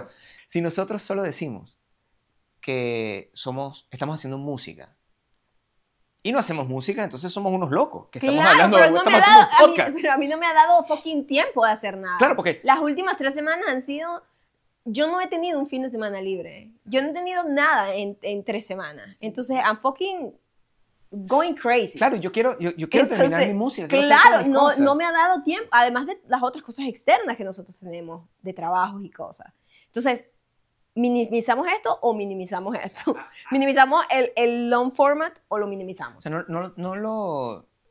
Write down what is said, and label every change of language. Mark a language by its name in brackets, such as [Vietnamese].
[Spanish] Pero si nosotros solo decimos que estamos haciendo música y no hacemos música, entonces somos unos locos que estamos hablando, estamos haciendo podcast. Pero a mí no me ha dado fucking tiempo de hacer nada. Claro, porque... Las últimas 3 semanas han sido... Yo no he tenido un fin de semana libre. Yo no he tenido nada en 3 semanas. [English] Entonces, I'm fucking going crazy. [Spanish] Claro, yo quiero entonces, terminar mi música. Claro, no me ha dado tiempo. Además de las otras cosas externas que nosotros tenemos, de trabajos y cosas. Entonces, ¿minimizamos esto o minimizamos esto? ¿Minimizamos el long format o lo minimizamos? O sea, no lo...